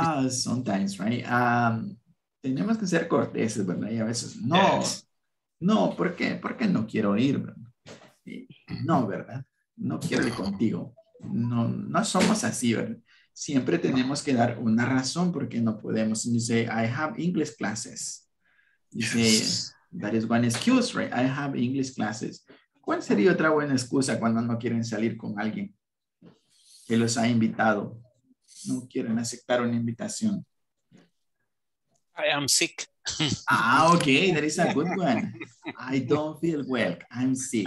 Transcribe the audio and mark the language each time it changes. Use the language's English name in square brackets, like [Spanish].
[English] sometimes, right? [Spanish] Tenemos que ser corteses, ¿verdad? Y a veces no. Yes. No, ¿por qué? Porque no quiero ir. No, ¿verdad? No quiero ir contigo. No somos así, ¿verdad? Siempre tenemos que dar una razón porque no podemos. [English] You say, I have English classes. You say, that is one excuse, right? I have English classes. [Spanish] ¿Cuál sería otra buena excusa cuando no quieren salir con alguien que los ha invitado? No quieren aceptar una invitación. [English] I am sick. Ah, okay, that is a good one. I don't feel well. I'm sick.